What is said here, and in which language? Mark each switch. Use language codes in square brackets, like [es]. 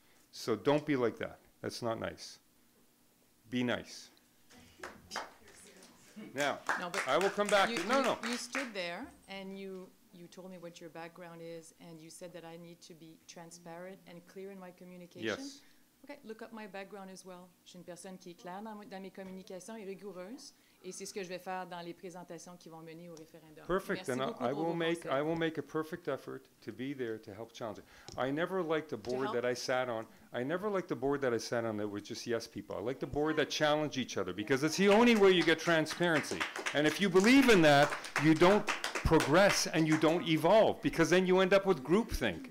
[en] So don't be like that. That's not nice. Be nice. Now, no, but I will come back. You stood there and you told me what your background is, and you said that I need to be transparent and clear in my communication. Yes. Okay, look up my background as well. [fr] Je suis une personne qui est claire dans mes communications et rigoureuse, et c'est ce que je vais faire dans les présentations qui vont mener au référendum. [en] Perfect. [fr] Merci [en] and I will make a perfect effort to be there to help challenge it. I never liked the board that I sat on that was just yes people. I like the board that challenge each other, because it's the only way you get transparency. And if you believe in that, you don't progress and you don't evolve, because then you end up with groupthink.